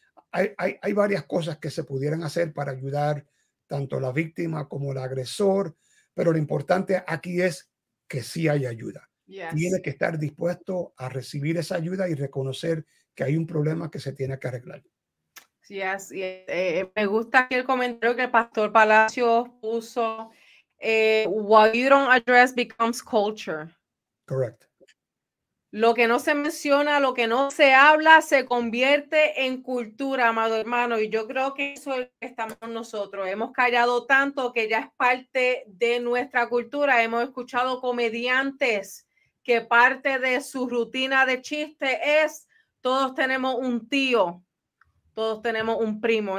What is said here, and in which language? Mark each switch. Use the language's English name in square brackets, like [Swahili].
[Spanish] Hay varias cosas que se pudieran hacer para ayudar tanto a la víctima como al agresor, pero lo importante aquí es que sí hay ayuda. [English] Yes. [Spanish] Tiene que estar dispuesto a recibir esa ayuda y reconocer que hay un problema que se tiene que arreglar. [English] Yes, yes. [Spanish] Me gusta el comentario que el pastor Palacio puso. [English] What you don't address becomes culture. Correct. [Spanish] Lo que no se menciona, lo que no se habla, se convierte en cultura, amado hermano. Y yo creo que eso es lo que estamos nosotros. Hemos callado tanto que ya es parte de nuestra cultura. Hemos escuchado comediantes que parte de su rutina de chiste es: todos tenemos un tío, todos tenemos un primo.